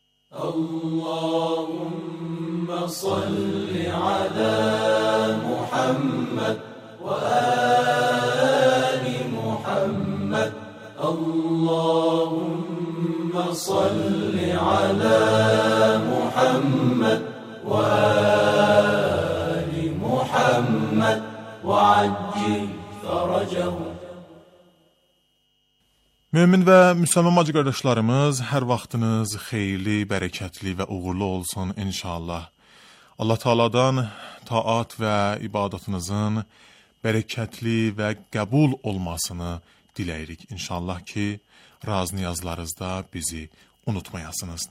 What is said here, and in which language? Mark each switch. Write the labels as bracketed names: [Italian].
[Arabic] اللهم صل على محمد وآل محمد. اللهم صل على محمد وآل محمد وعجل فرجه. [Azerbaijani] Mömin və müsəlman bacı qardaşlarımız, hər vaxtınız xeyli, bərəkətli və uğurlu olsun inşallah. Allah Taaladan taat və ibadatınızın bərəkətli və qəbul olmasını diləyirik. İnşallah ki, razıniyazlarınızda bizi unutmayasınız.